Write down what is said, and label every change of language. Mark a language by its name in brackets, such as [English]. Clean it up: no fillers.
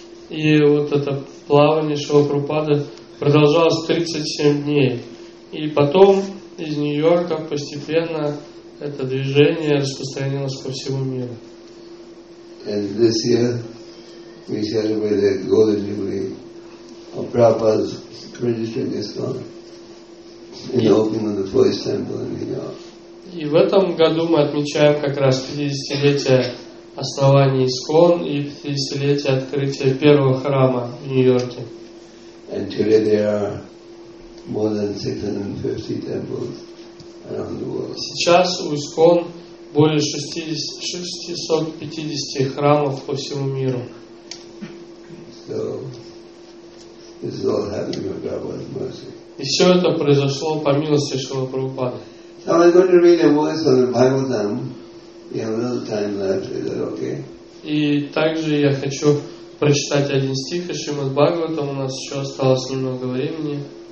[Russian] И вот это плавание Шрила Прабхупады продолжалось 37 дней. И потом из Нью-Йорка постепенно это движение распространилось по всему миру. [English] And this year we celebrate the Golden Jubilee of Prabhupada's registering ISKCON in the opening of the first temple in New York. [Russian] И в этом году мы отмечаем как раз 50-летие основания ИСККОН и 50-летие открытия первого храма в Нью-Йорке. [English] And today there are more than 650 temples around the world. [Russian] Сейчас у ИСККОН более 650 храмов по всему миру. [English] So, this is all happening with Prabhupada's mercy. [Russian] И все это произошло по милости Шрилы Прабхупады. [English] So I'm going to read a verse from the Bhagavatam. We have a little time left. Is that okay? [Russian] И также я хочу прочитать один стих из Шримад Бхагаватам. У нас еще осталось немного времени.